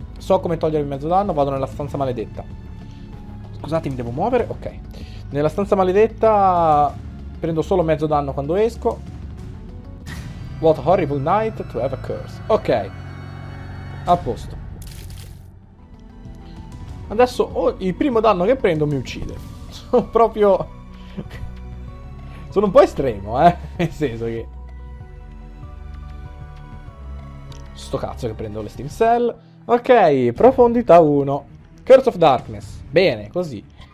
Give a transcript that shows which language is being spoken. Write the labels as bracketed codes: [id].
[it] So come togliermi mezzo danno, vado nella stanza maledetta. Scusate, mi devo muovere? Ok. Nella stanza maledetta prendo solo mezzo danno quando esco. [en] What a horrible night to have a curse. [it] Ok. A posto. Adesso il primo danno che prendo mi uccide. Sono proprio... Sono un po' estremo, eh. Nel senso che... sto cazzo che prendo le Steam Cell. Ok, profondità 1. Curse of Darkness. Bene, così.